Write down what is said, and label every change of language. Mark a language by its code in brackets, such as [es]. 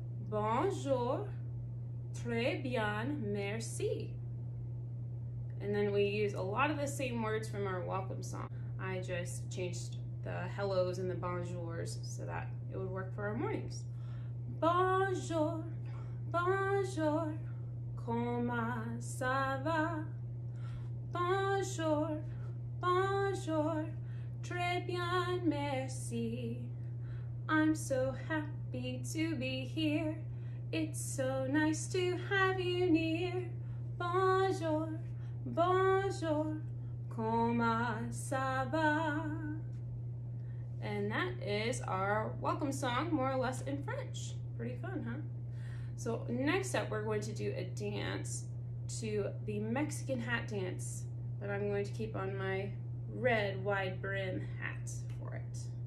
[fr] Bonjour, très bien, merci. [en] And then we use a lot of the same words from our welcome song. I just changed the hellos and the bonjours so that it would work for our mornings. [fr] Bonjour, bonjour, comment ça va? Bonjour, bonjour, très bien, merci. [en] I'm so happy to be here. It's so nice to have you near. [fr] Bonjour, bonjour, comment ça va? [en] And that is our welcome song, more or less in French. Pretty fun, huh? So next up, we're going to do a dance to the Mexican hat dance, but I'm going to keep on my red wide brim hat for it.